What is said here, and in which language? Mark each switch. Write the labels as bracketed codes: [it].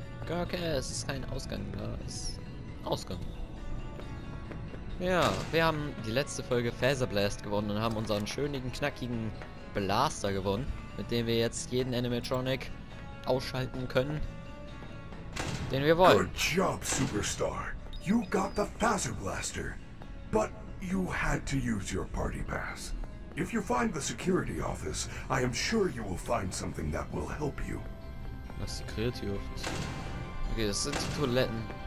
[de] Okay, es ist kein Ausgang da. Es ist Ausgang. Ja, wir haben die letzte Folge Phaser Blast gewonnen und haben unseren schönen, knackigen Blaster gewonnen, mit dem wir jetzt jeden Animatronic ausschalten können, den wir wollen. [en] Good job, Superstar. You got the Phaser Blaster, but you had to use your party pass. If you find the security office, I am sure you will find something that will help you. [de] Was ist die Security Office? Okay, das sind die Toiletten.